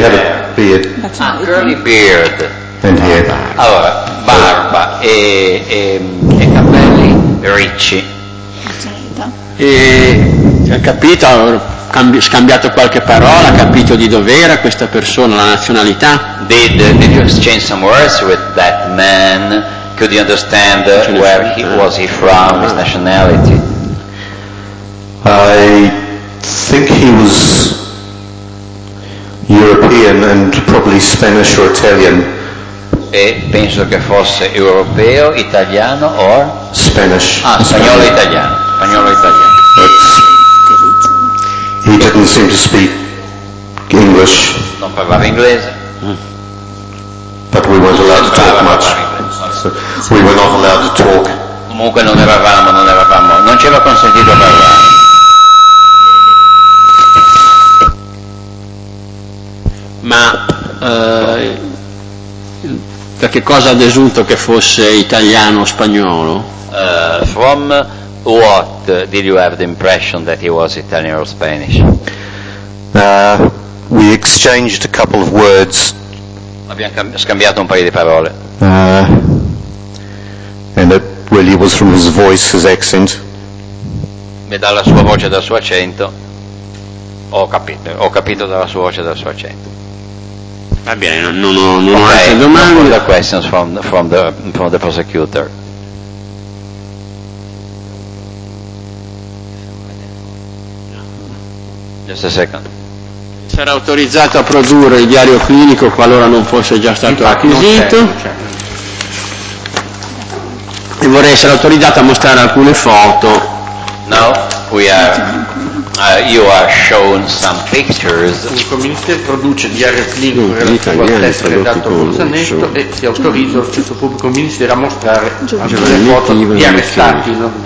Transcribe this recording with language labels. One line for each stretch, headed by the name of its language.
English: hair. He had a beard. Curly beard. And hair.
Italian: Allora, barba e capelli ricci. E ha capito, scambiato qualche parola, ha capito di dov'era questa persona, la nazionalità?
English: Did you exchange some words with that man? Could you understand where he was, he from, his nationality? I think he was European and probably Spanish or Italian.
Italian: E penso che fosse europeo, italiano o
English: Spanish.
Italian: Ah, spagnolo italiano. Spagnolo italiano.
English: He didn't seem to speak English.
Italian: Non parlava inglese.
English: But we weren't allowed to talk much. We were not allowed to talk.
Italian: Comunque non eravamo. Non ci aveva consentito parlare. Ma da che cosa ha desunto che fosse italiano o spagnolo?
English: From what did you have the impression that he was Italian or Spanish? We exchanged a couple of words.
Italian: Abbiamo scambiato un paio di parole.
English: And it really was from his voice, his accent.
Italian: E dalla sua voce, dal suo accento. Ho capito dalla sua voce, dal suo accento. Va bene, non ho altre domande.
English: No further questions from the prosecutor. Just a second.
Italian: Sarà autorizzato a produrre il diario clinico qualora non fosse già stato acquisito. e vorrei essere autorizzato a mostrare alcune foto.
English: Now we are, you are shown some pictures.
Italian: Il ministero produce diarie cliniche relativo al test che ha dato Bolzanetto e si autorizza lo stesso pubblico ministero a mostrare alcune foto di arrestati.